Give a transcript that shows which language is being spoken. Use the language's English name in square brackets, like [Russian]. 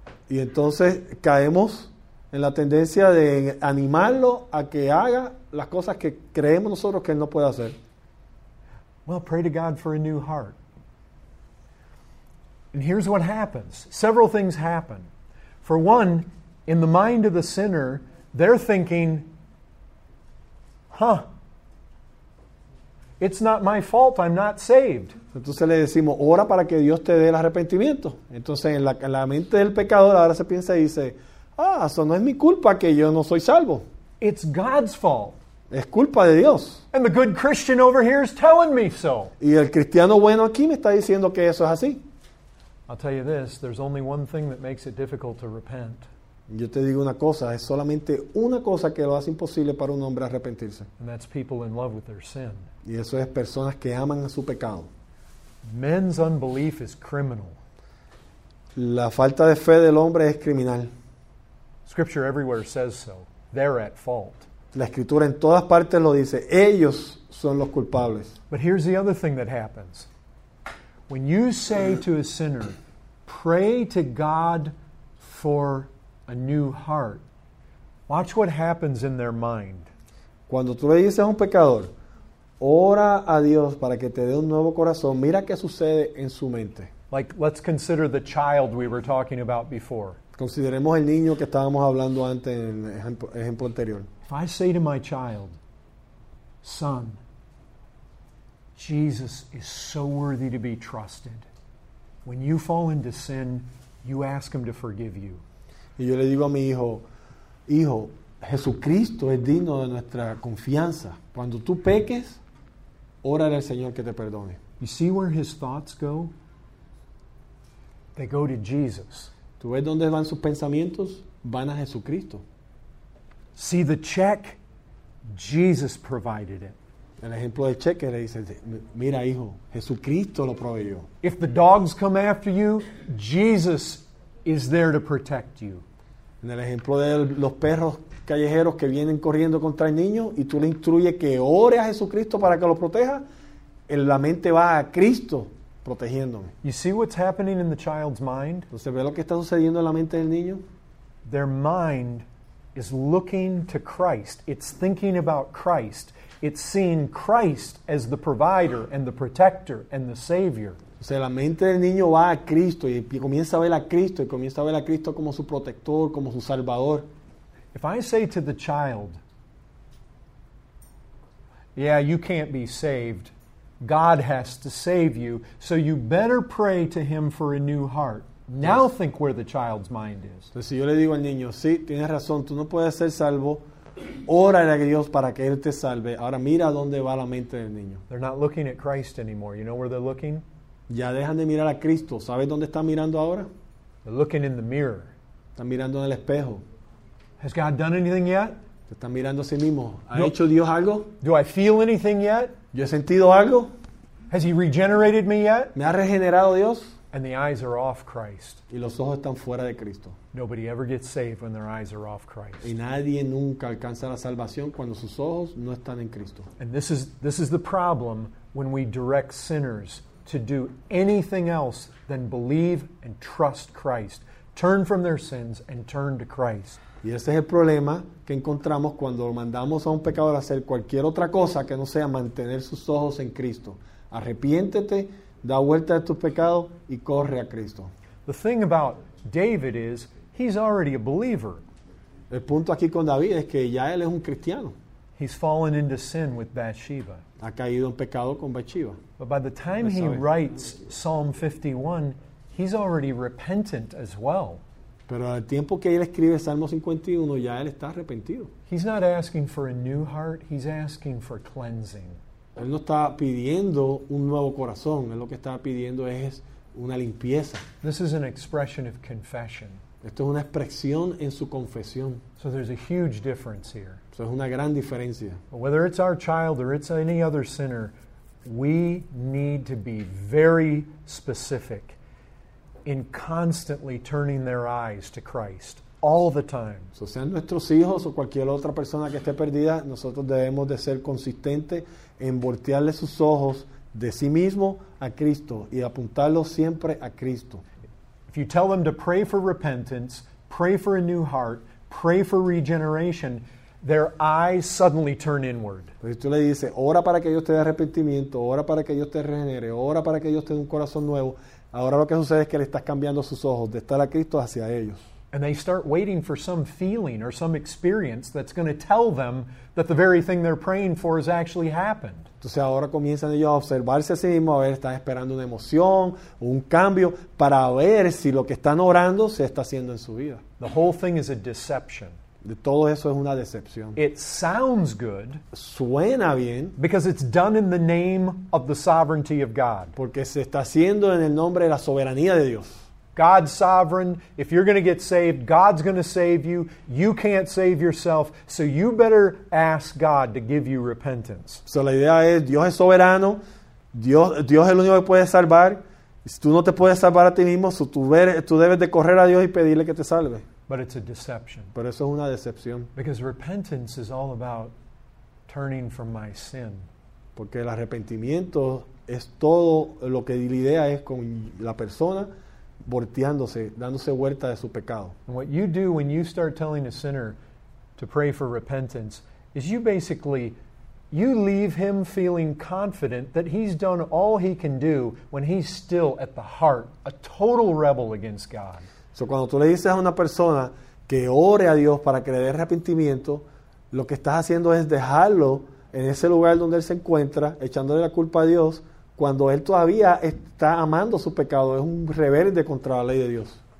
[Spanish] Y entonces caemos en la tendencia de animarlo a que haga las cosas que creemos nosotros que él no puede hacer. [English] Well, pray to God for a new heart. And here's what happens. Several things happen. For one, in the mind of the sinner, they're thinking, huh, it's not my fault, I'm not saved. [Spanish] Entonces le decimos, ora para que Dios te dé el arrepentimiento. Entonces en la mente del pecador ahora se piensa y dice, ah, eso no es mi culpa que yo no soy salvo. [English] It's God's fault. [Spanish] Es culpa de Dios. [English] And the good Christian over here is telling me so. [Spanish] Y el cristiano bueno aquí me está diciendo que eso es así. [English] I'll tell you this, there's only one thing that makes it difficult to repent. [Spanish] Yo te digo una cosa, es solamente una cosa que lo hace imposible para un hombre arrepentirse. [English] And that's people in love with their sin. [Spanish] Y eso es personas que aman a su pecado. [English] Men's unbelief is criminal. [Spanish] La falta de fe del hombre es criminal. [English] Scripture everywhere says so. They're at fault. [Spanish] La escritura en todas partes lo dice. Ellos son los culpables. [English] But here's the other thing that happens. When you say to a sinner, pray to God for a new heart, watch what happens in their mind. [Spanish] Cuando tú le dices a un pecador, ora a Dios para que te dé un nuevo corazón, mira qué sucede en su mente. [English] Like, let's consider the child we were talking about before. [Spanish] Consideremos el niño que estábamos hablando antes en el ejemplo anterior. [English] If I say to my child, son, Jesus is so worthy to be trusted. When you fall into sin, you ask him to forgive you. [Spanish] Y yo le digo a mi hijo, hijo, Jesucristo es digno de nuestra confianza. Cuando tú peques, órale al Señor que te perdone. [English] You see where his thoughts go? They go to Jesus. [Spanish] ¿Tú ves dónde van sus pensamientos? Van a Jesucristo. [English] See the check? Jesus provided it. [Spanish] El ejemplo del cheque le dice, mira hijo, Jesucristo lo proveyó. [English] If the dogs come after you, Jesus is there to protect you. [Spanish] En el ejemplo de los perros callejeros que vienen corriendo contra el niño y tú le instruyes que ore a Jesucristo para que lo proteja, en la mente va a Cristo protegiéndome. [English] You see what's happening in the child's mind? [Spanish] ¿Usted ve lo que está sucediendo en la mente del niño? [English] Their mind is looking to Christ. It's thinking about Christ. It's seeing Christ as the provider and the protector and the savior. [Spanish] O sea, la mente del niño va a Cristo y comienza a ver a Cristo y comienza a ver a Cristo como su protector, como su salvador. [English] If I say to the child, yeah, you can't be saved. God has to save you. So you better pray to him for a new heart. Now yes. Think where the child's mind is. [Spanish] Entonces, si yo le digo al niño, sí, tienes razón, tú no puedes ser salvo. Ora a Dios para que él te salve. Ahora mira dónde va la mente del niño. [English] They're not looking at Christ anymore. You know where they're looking? [Spanish] Ya dejan de mirar a Cristo. ¿Sabes dónde están mirando ahora? [English] They're looking in the mirror. [Spanish] Están mirando en el espejo. [English] Has God done anything yet? [Spanish] Se están mirando a sí mismo. ¿Ha hecho Dios algo? [English] Do I feel anything yet? [Spanish] ¿Yo he sentido algo? [English] Has he regenerated me yet? [Spanish] ¿Me ha regenerado Dios? [English] And the eyes are off Christ. [Spanish] Y los ojos están fuera de Cristo. [English] Nobody ever gets saved when their eyes are off Christ. [Spanish] Y nadie nunca alcanza la salvación cuando sus ojos no están en Cristo. [English] And this is the problem when we direct sinners to do anything else than believe and trust Christ. Turn from their sins and turn to Christ. [Spanish] Y ese es el problema que encontramos cuando mandamos a un pecador a hacer cualquier otra cosa que no sea mantener sus ojos en Cristo. Arrepiéntete, da vuelta de tus pecados y corre a Cristo. [English] The thing about David is, he's already a believer. [Spanish] El punto aquí con David es que ya él es un cristiano. [English] He's fallen into sin with Bathsheba. [Spanish] Ha caído en pecado con Bathsheba. [English] But by the time he writes Psalm 51, he's already repentant as well. [Spanish] Pero al tiempo que él escribe Salmo 51, ya él está arrepentido. [English] He's not asking for a new heart, he's asking for cleansing. [Spanish] Él no está pidiendo un nuevo corazón, él lo que está pidiendo es una limpieza. [English] This is an expression of confession. [Spanish] Esto es una expresión en su confesión. [English] So there's a huge difference here. [Spanish] Eso es una gran diferencia. [English] Whether it's our child or it's any other sinner, we need to be very specific in constantly turning their eyes to Christ all the time. So [Spanish] sean nuestros hijos o cualquier otra persona que esté perdida, nosotros debemos de ser consistentes en voltearle sus ojos de sí mismo a Cristo y apuntarlo siempre a Cristo. [English] If you tell them to pray for repentance, pray for a new heart, pray for regeneration, their eyes suddenly turn inward. [Spanish] Si tú le dices, ora para que Dios te dé arrepentimiento, ora para que Dios te regenere, ora para que Dios te dé un corazón nuevo, ahora lo que sucede es que le estás cambiando sus ojos de estar a Cristo hacia ellos. [English] And they start waiting for some feeling or some experience that's going to tell them that the very thing they're praying for has actually happened. [Spanish] Entonces ahora comienzan ellos a observarse a sí mismos, a ver, están esperando una emoción, un cambio, para ver si lo que están orando se está haciendo en su vida. [English] The whole thing is a deception. [Spanish] De todo eso es una decepción. [English] It sounds good. [Spanish] Suena bien. [English] Because it's done in the name of the sovereignty of God. [Spanish] Porque se está haciendo en el nombre de la soberanía de Dios. [English] God's sovereign. If you're going to get saved, God's going to save you. You can't save yourself, so you better ask God to give you repentance. So [Spanish] la idea es, Dios es soberano. Dios es el único que puede salvar. Si tú no te puedes salvar a ti mismo, tú debes de correr a Dios y pedirle que te salve. [English] But it's a deception. [Spanish] Pero eso es una decepción. [English] Because repentance is all about turning from my sin. [Spanish] Porque el arrepentimiento es todo lo que la idea es con la persona volteándose, dándose vuelta de su pecado. [English] And what you do when you start telling a sinner to pray for repentance is you basically, you leave him feeling confident that he's done all he can do when he's still at the heart, a total rebel against God. So [Spanish] cuando tú le dices a una persona que ore a Dios para que le dé arrepentimiento, lo que estás haciendo es dejarlo en ese lugar donde él se encuentra, echándole la culpa a Dios, cuando él todavía está amando su pecado, es un rebelde contra la ley de Dios.